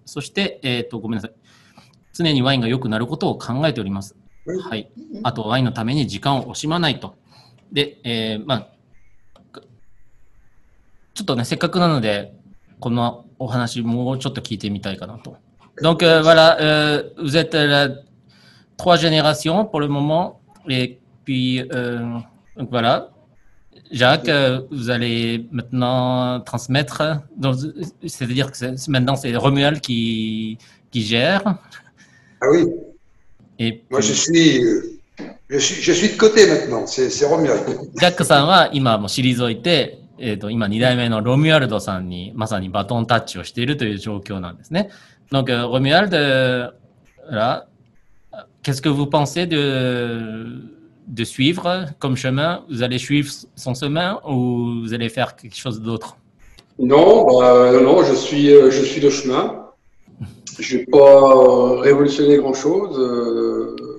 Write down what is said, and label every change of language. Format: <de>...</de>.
<ja>そして、ごめんなさい。常にワインが良くなることを考えております。はい。あと、ワインのために時間を惜しまないと。で、まあ、ちょっとね、せっかくなので、このお話、もうちょっと聞いてみたいかなと。</ja> <fr>Donc, voilà, vous êtes la trois générations pour le moment. Et puis, donc voilà, Jacques, vous allez maintenant transmettre. Donc, c'est-à-dire que c'est, maintenant, c'est Romuald qui gère. Ah oui. Et puis, moi je suis de côté maintenant. C'est Romuald.</fr> <ja>Jacques-san は今もう退いて、今2代目のロミュアルドさんにまさにバトンタッチをしているという状況なんですね。</ja> <fr>Donc Romuald, là, qu'est-ce que vous pensez de suivre comme chemin? Vous allez suivre son chemin ou vous allez faire quelque chose d'autre? Non, non, je suis de chemin. Je n'ai pas révolutionné grand-chose.</fr>